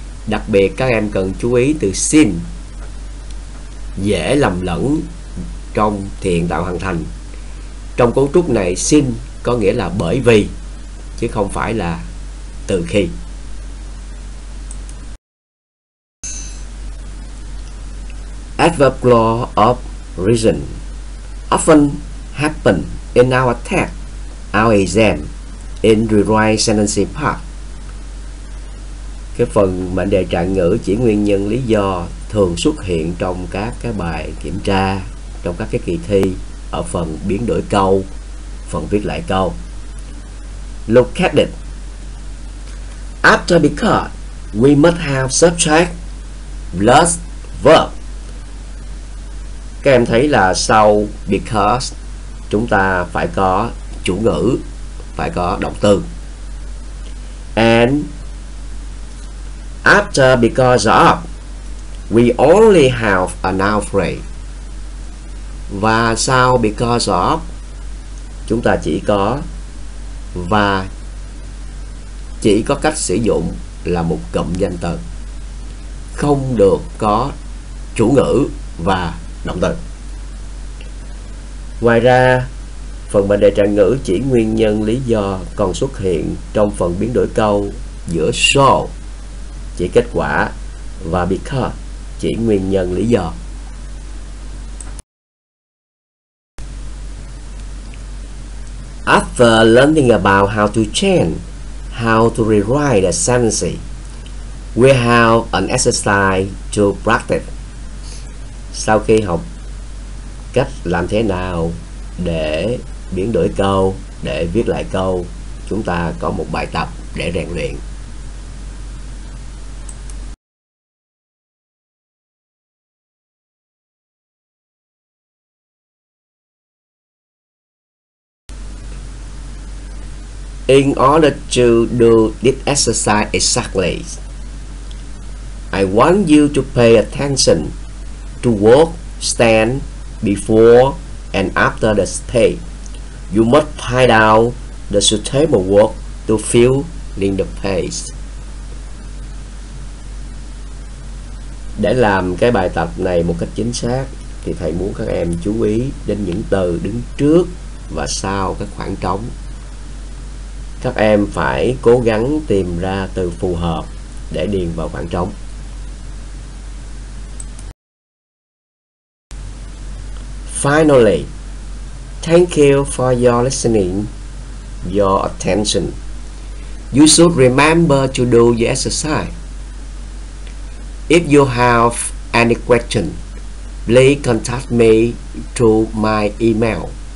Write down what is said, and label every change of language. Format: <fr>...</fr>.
<vi>Đặc biệt các em cần chú ý từ since dễ lầm lẫn trong thiền tạo hoàn thành. Trong cấu trúc này, since có nghĩa là bởi vì chứ không phải là từ khi.</vi> <en>Adverb law of reason often happen in our test, our exam, in rewrite sentence part.</en> <vi>Cái phần mệnh đề trạng ngữ chỉ nguyên nhân lý do thường xuất hiện trong các cái bài kiểm tra, trong các cái kỳ thi ở phần biến đổi câu, phần viết lại câu.</vi> <en>Look at it. After because, we must have subject plus verb.</en> <vi>Các em thấy là sau because chúng ta phải có chủ ngữ, phải có động từ.</vi> <en>And after because of, we only have a noun phrase.</en> <vi>Và sau because of, chúng ta chỉ có và chỉ có cách sử dụng là một cụm danh từ. không được có chủ ngữ và động từ. Ngoài ra, phần mệnh đề trạng ngữ chỉ nguyên nhân lý do còn xuất hiện trong phần biến đổi câu giữa so chỉ kết quả và because chỉ nguyên nhân lý do.</vi> <en>After learning about how to change, how to rewrite the sentence, we have an exercise to practice.</en> <vi>Sau khi học cách làm thế nào để biến đổi câu, để viết lại câu, chúng ta có một bài tập để rèn luyện.</vi> <en>In order to do this exercise exactly, I want you to pay attention to what stands before and after the space. You must find out the suitable word to fill in the space.</en> <vi>Để làm cái bài tập này một cách chính xác, thì thầy muốn các em chú ý đến những từ đứng trước và sau các khoảng trống. Các em phải cố gắng tìm ra từ phù hợp để điền vào khoảng trống.</vi> <en>Finally, thank you for your listening, your attention. You should remember to do the exercise. If you have any question, please contact me through my email.</en>